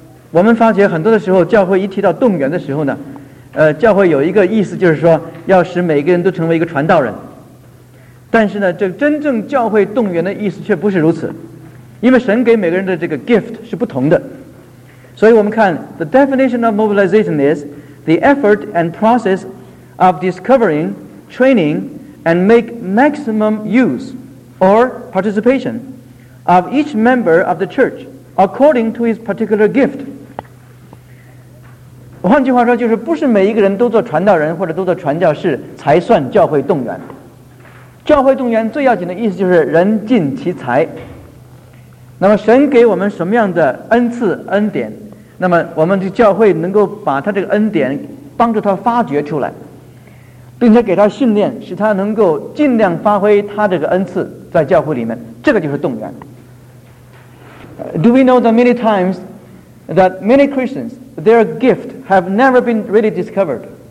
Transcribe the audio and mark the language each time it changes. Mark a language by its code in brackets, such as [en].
[zh] 我们发觉很多的时候教会一提到动员的时候呢，教会有一个意思，就是说要使每个人都成为一个传道人。但是呢，这真正教会动员的意思却不是如此，因为神给每个人的这个 gift 是不同的。所以我们看 [en] The definition of mobilization is the effort and process of discovering, training, and make maximum use or participation of each member of the church according to his particular gift. [zh] 换句话说，就是不是每一个人都做传道人或者都做传教士才算教会动员。教会动员最要紧的意思就是人尽其才。那么神给我们什么样的恩赐恩典，那么我们的教会能够把他这个恩典帮助他发掘出来，并且给他训练，使他能够尽量发挥他这个恩赐在教会里面，这个就是动员。 [en] Do we know that many times that many Christians, their gift have never really been discovered?